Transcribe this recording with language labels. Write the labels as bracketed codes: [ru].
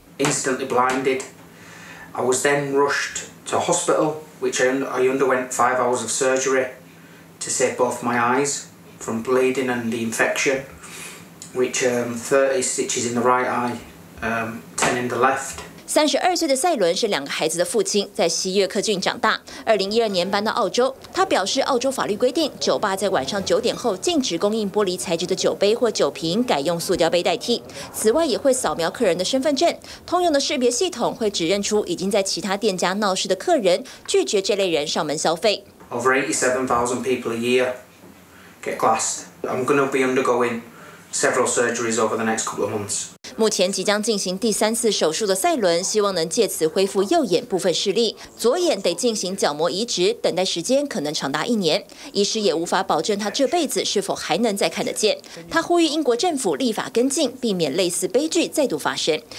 [en] Instantly blinded, I was then rushed to hospital, which I underwent 5 hours of surgery to save both my eyes from bleeding and the infection. Which 30 stitches in the right eye, 10 in the left. [zh] 32岁的赛伦是两个孩子的父亲，在西约克郡长大。 2012年搬到澳洲，他表示澳洲法律规定，酒吧在晚上9点后禁止供应玻璃材质的酒杯或酒瓶，改用塑胶杯代替。此外，也会扫描客人的身份证，通用的识别系统会指认出已经在其他店家闹事的客人，拒绝这类人上门消费。 [en] Over 87,000 people a year get glassed. I'm going to be undergoing. Several surgeries over the next couple of months. [zh] 目前即将进行第三次手术的赛伦，希望能借此恢复右眼部分视力。左眼得进行角膜移植，等待时间可能长达1年。医师也无法保证他这辈子是否还能再看得见。他呼吁英国政府立法跟进，避免类似悲剧再度发生。